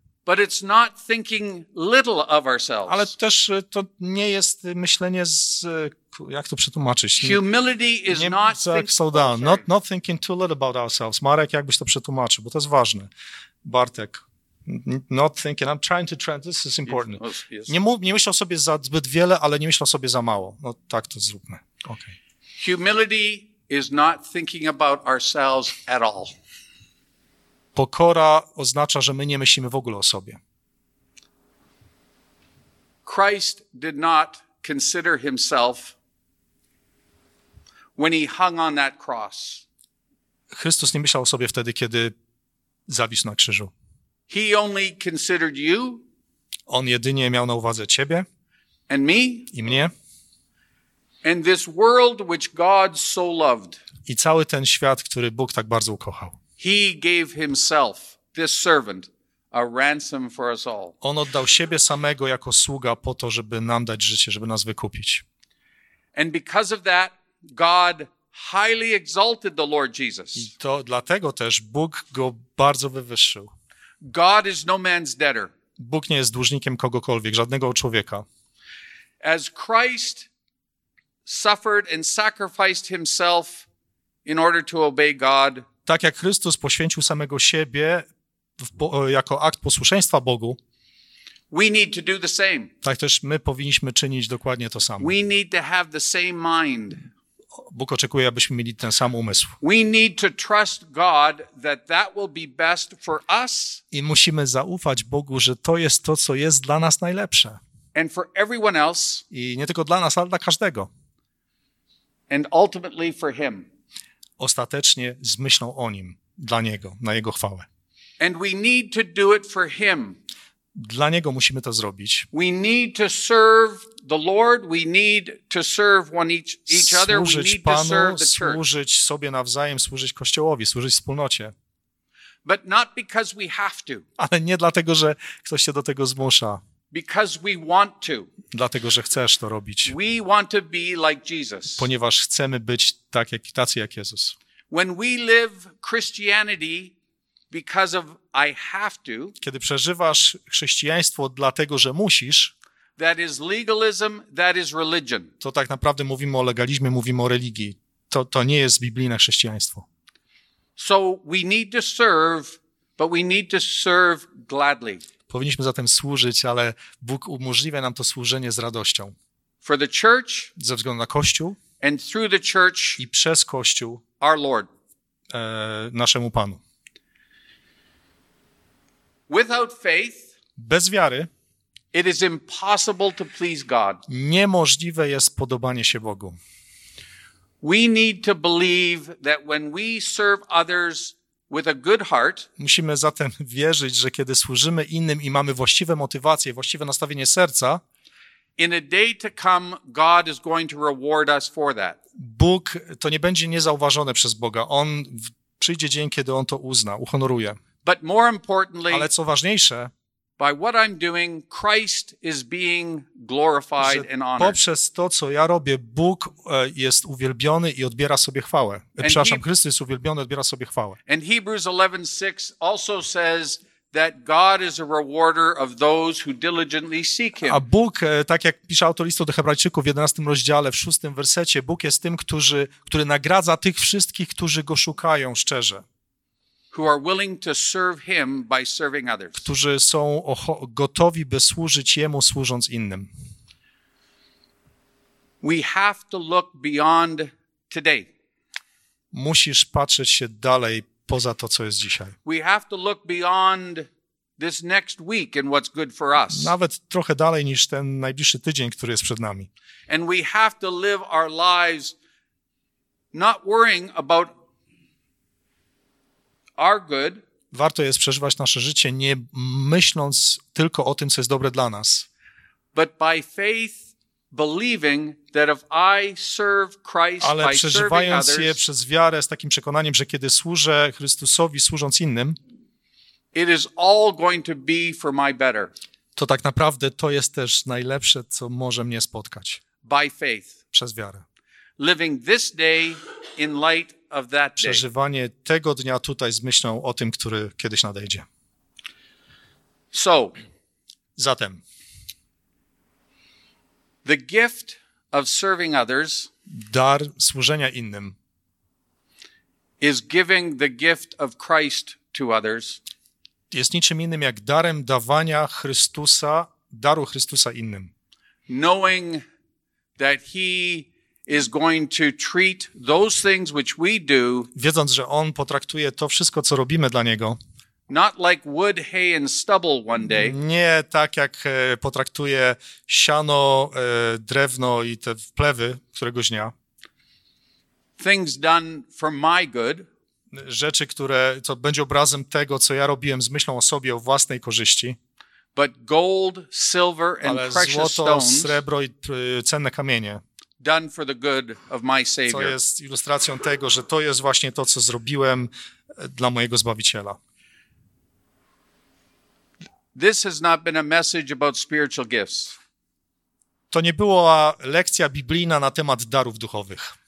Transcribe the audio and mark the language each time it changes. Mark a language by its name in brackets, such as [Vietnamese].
[English] But it's not thinking little of ourselves. [Polish] Ale też to nie jest myślenie jak to przetłumaczyć? [English] Humility is not thinking. Slow down. Not thinking too little about ourselves. [Polish] Marek, jakbyś to przetłumaczył, bo to jest ważne. Bartek. [English] Not thinking, I'm trying to trend, this is important. Yes. [Polish] Nie myśl o sobie za zbyt wiele, ale nie myśl o sobie za mało. No tak to zróbmy. Okay. [English] Humility is not thinking about ourselves at all. [Polish] Pokora oznacza, że my nie myślimy w ogóle o sobie. [English] Christ did not consider himself when he hung on that cross. [Polish] Chrystus nie myślał o sobie wtedy, kiedy zawisł na krzyżu. [English] He only considered you. [Polish] On jedynie miał na uwadze ciebie. [English] And me. [Polish] I mnie. [English] And this world which God so loved. [Polish] I cały ten świat, który Bóg tak bardzo ukochał. [English] He gave himself, this servant, a ransom for us all. [Polish] On oddał siebie samego jako sługa po to, żeby nam dać życie, żeby nas wykupić. [English] And because of that, God highly exalted the Lord Jesus. [Polish] I to dlatego też Bóg go bardzo wywyższył. [English] God is no man's debtor. [Polish] Bóg nie jest dłużnikiem kogokolwiek, żadnego człowieka. [English] As Christ suffered and sacrificed himself in order to obey God. [Polish] Tak jak Chrystus poświęcił samego siebie jako akt posłuszeństwa Bogu, [English] we need to do the same. [Polish] Tak też my powinniśmy czynić dokładnie to samo. [English] We need to have the same mind. [Polish] Bóg oczekuje, abyśmy mieli ten sam umysł. [English] We need to trust God that that will be best for us. [Polish] I musimy zaufać Bogu, że to jest to, co jest dla nas najlepsze. [English] And for everyone else. [Polish] I nie tylko dla nas, ale dla każdego. [English] And ultimately for him. [Polish] Ostatecznie z myślą o nim, dla niego, na jego chwałę. [English] And we need to do it for him. [Polish] Dla niego musimy to zrobić. [English] We need to serve the Lord, we need to serve one each other, we need [Polish] Panu, [English] to serve the church. [Polish] Służyć sobie nawzajem, służyć Kościołowi, służyć wspólnocie. [English] But not because we have to. [Polish] Ale nie dlatego, że ktoś się do tego zmusza. [English] Because we want to. [Polish] Dlatego, że chcesz to robić. [English] We want to be like Jesus. [Polish] Ponieważ chcemy być tak jak, tacy jak Jezus. [English] When we live Christianity because of I have to. [Polish] Kiedy przeżywasz chrześcijaństwo dlatego, że musisz. [English] That is legalism, that is religion. [Polish] To tak naprawdę mówimy o legalizmie, mówimy o religii. To nie jest biblijne chrześcijaństwo. [English] So we need to serve, but we need to serve gladly. [Polish] Powinniśmy zatem służyć, ale Bóg umożliwia nam to służenie z radością. [English] For the church, [Polish] ze względu na Kościół [English] and through the church, [Polish] i przez Kościół [English] our Lord. [Polish] Naszemu Panu. [English] Without faith, [Polish] bez wiary [English] it is impossible to please God. [Polish] Niemożliwe jest podobanie się Bogu. [English] We need to believe that when we serve others with a good heart, [Polish] musimy zatem wierzyć, że kiedy służymy innym i mamy właściwe motywacje, właściwe nastawienie serca, [English] in a day to come, God is going to reward us for that. [Polish] Bóg, to nie będzie niezauważone przez Boga. On przyjdzie dzień, kiedy on to uzna, uhonoruje. [English] But more importantly, [Polish] ale co ważniejsze, [English] by what I'm doing, Christ is being glorified and honored. [Polish] Poprzez to, co ja robię, Bóg jest uwielbiony i odbiera sobie chwałę. Przepraszam, Chrystus jest uwielbiony i odbiera sobie chwałę. [English] And Hebrews 11:6 also says that God is a rewarder of those who diligently seek him. [Polish] A Bóg, tak jak pisze autor listu do Hebrajczyków w 11 rozdziale, w 6 wersecie, Bóg jest tym, który nagradza tych wszystkich, którzy go szukają szczerze. [English] Who are willing to serve him by serving others. [Polish] Którzy są gotowi, by służyć jemu, służąc innym. [English] We have to look beyond today. [Polish] Musisz patrzeć się dalej poza to, co jest dzisiaj. [English] We have to look beyond this next week and what's good for us. [Polish] Nawet trochę dalej niż ten najbliższy tydzień, który jest przed nami. [English] And we have to live our lives not worrying about our good. [Polish] Warto jest przeżywać nasze życie nie myśląc tylko o tym, co jest dobre dla nas. [English] But by faith, believing that if I serve Christ, [Polish] ale [English] by [Polish] przeżywając [English] others, [Polish] je przez wiarę z takim przekonaniem, że kiedy służę Chrystusowi, służąc innym, [English] it is all going to be for my better. [Polish] To tak naprawdę to jest też najlepsze, co może mnie spotkać. [English] By faith. [Polish] Przez wiarę. [English] Living this day in light of that day. [Polish] Przeżywanie tego dnia tutaj z myślą o tym, który kiedyś nadejdzie. [English] So, [Polish] zatem [English] the gift of serving others, [Polish] dar służenia innym, [English] is giving the gift of Christ to others, [Polish] jest niczym innym jak darem dawania Chrystusa, daru Chrystusa innym. [English] Knowing that he is going to treat those things which we do, [Polish] wiedząc, że on potraktuje to wszystko, co robimy dla niego, [English] Not like wood, hay and stubble one day. [Polish] Nie tak jak potraktuje siano, drewno i te plewy któregoś dnia. [English] Things done for my good. [Polish] Rzeczy, które to będzie obrazem tego, co ja robiłem z myślą o sobie, o własnej korzyści. [English] But gold, silver and precious [Polish] złoto, [English] stones. [Polish] Ale złoto, srebro i cenne kamienie. [English] Done for the good of my savior. [Polish] Co jest ilustracją tego, że to jest właśnie to, co zrobiłem dla mojego Zbawiciela. [English] This has not been a message about spiritual gifts. [Polish] To nie była lekcja biblijna na temat darów duchowych.